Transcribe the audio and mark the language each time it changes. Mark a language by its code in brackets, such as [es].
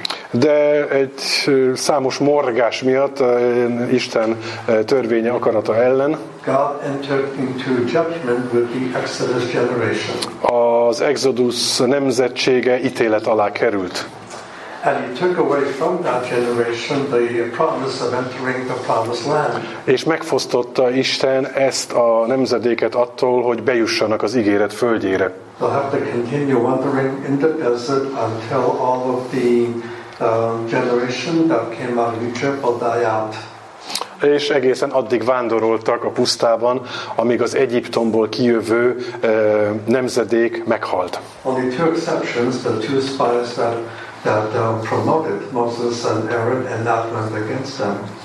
[hu] De egy számos morgás miatt Isten törvénye akarata ellen [en] God entered into judgment with the Exodus generation. [hu] Az Exodus nemzetsége ítélet alá került. [en] And he took away from that generation the promise of entering the promised land. [hu] És megfosztotta Isten ezt a nemzedéket attól, hogy bejussanak az ígéret földjére. [en] They'll have to continue wandering in the desert until all of the generation that came out of Egypt will die out. [hu] És egészen addig vándoroltak a pusztában, amíg az Egyiptomból kijövő nemzedék meghalt. [en] Only two exceptions, the two spies that promoted Moses and Aaron and that went against them.